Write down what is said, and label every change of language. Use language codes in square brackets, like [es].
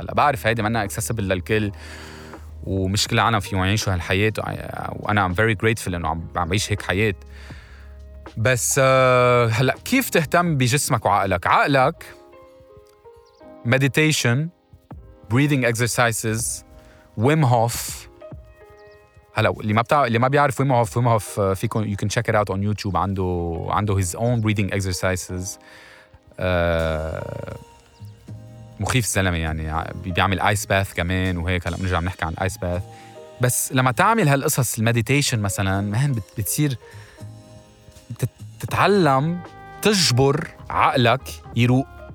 [ar] هلا بعرف هيدي ما أنا accessible للكل ومشكلة أنا في يعيشوا هالحياة وأنا [en] I'm very grateful [ar] إنه عم بعيش هيك حياة. بس هلا كيف تهتم بجسمك وعقلك؟ عقلك meditation breathing exercises Wim Hof. هلا اللي ما بيعرف [en] Wim Hof فيكم you can check it out on YouTube. عنده his own breathing exercises. [ar] مخيف الزلمة يعني، بيعمل آيس باث كمان وهيك. هلا بنرجع بنحكي عن آيس باث. بس لما تعمل هالقصص المديتيشن مثلا مهن بتصير تتعلم تجبر عقلك يروق.